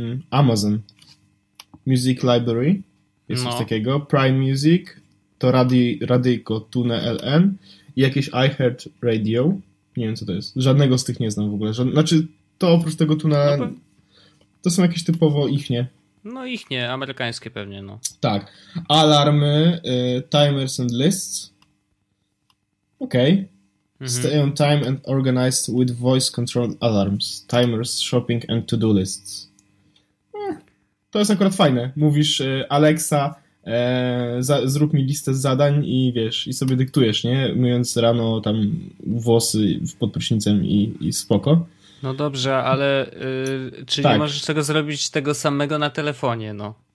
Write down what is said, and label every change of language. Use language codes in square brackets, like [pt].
[pl] Amazon Music Library jest coś takiego. Prime Music to Radio Tune LN i jakieś iHeart Radio. Nie wiem, co to jest. Żadnego z tych nie znam w ogóle. Znaczy, to oprócz tego Tune LN, to są jakieś typowo ichnie. No ichnie, amerykańskie pewnie, no. Tak. [en] Alarmy, timers and lists. Okej. Okay. Stay on time and organized with voice-controlled alarms, timers, shopping and to-do lists. [pl] To jest akurat fajne. Mówisz, Alexa, zrób mi listę zadań i wiesz, i sobie dyktujesz, nie? Myjąc rano tam włosy pod prysznicem i spoko. No dobrze, ale czy tak. Nie możesz tego zrobić tego samego na telefonie, no?